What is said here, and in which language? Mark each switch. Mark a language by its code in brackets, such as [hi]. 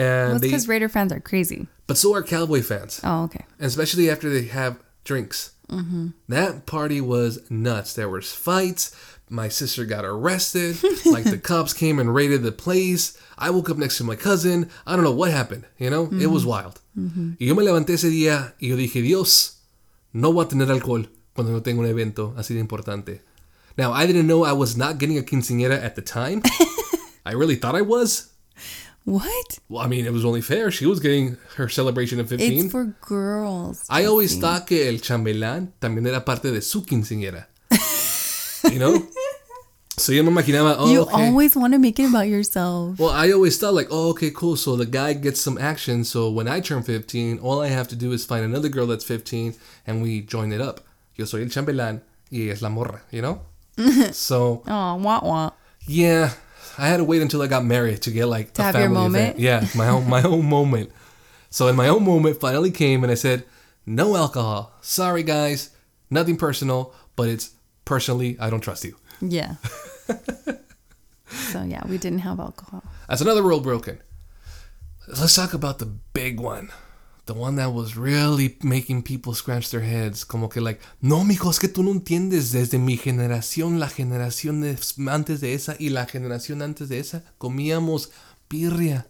[en] well, it's because Raider fans are crazy. But so are Cowboy fans. Oh, okay. And especially after they have drinks. Mm-hmm. That party was nuts. There was fights. My sister got arrested. Like, the cops came and raided the place. I woke up next to my cousin. I don't know what happened. You know, mm-hmm. It was wild. Mm-hmm. [es] Y yo me levanté ese día y yo dije, Dios, no voy a tener alcohol cuando no tengo un evento así de importante. [en] Now, I didn't know I was not getting a quinceañera at the time. I really thought I was. What? Well, I mean, it was only fair. She was getting her celebration of 15. It's for girls. I always thought [es] que el chambelán también era parte de su quinceañera. [en] You know? So, [es] yo me imaginaba, [en] oh, you okay. Always want to make it about yourself. Well, I always thought like, oh, okay, cool. So, the guy gets some action. So, when I turn 15, all I have to do is find another girl that's 15 and we join it up. [es] Yo soy el chambelán y ella es la morra, [en] you know? So, oh, wah, wah. Yeah, I had to wait until I got married to get like to a have family your moment. Event. Yeah, my own moment. So, in my own moment, finally came and I said, no alcohol. Sorry, guys, nothing personal, but it's personally, I don't trust you. Yeah. So, yeah, we didn't have alcohol. That's another rule broken. Let's talk about the big one. The one that was really making people scratch their heads. [es] Como que like, no, mijo, es que tú no entiendes. Desde mi generación, la generación antes de esa y la generación antes de esa, comíamos birria.